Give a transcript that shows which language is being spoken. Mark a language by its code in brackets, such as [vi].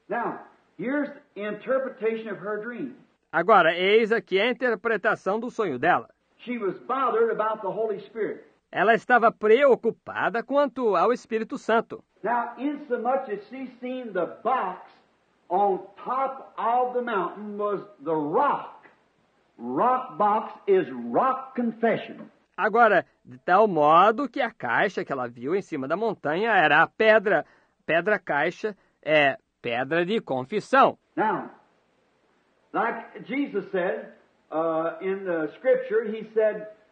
[en] Now, here's the interpretation of her dream. [pt] Agora, eis aqui a interpretação do sonho dela. [en] She was bothered about the Holy Spirit. [pt] Ela estava preocupada quanto ao Espírito Santo. [en] Now, in so much as she seen the box on top of the mountain was the rock. Rock box is rock confession. [pt] Agora, de tal modo que a caixa que ela viu em cima da montanha era a pedra. Pedra caixa é pedra de confissão. [en] Now, like Jesus said in the scripture, he said...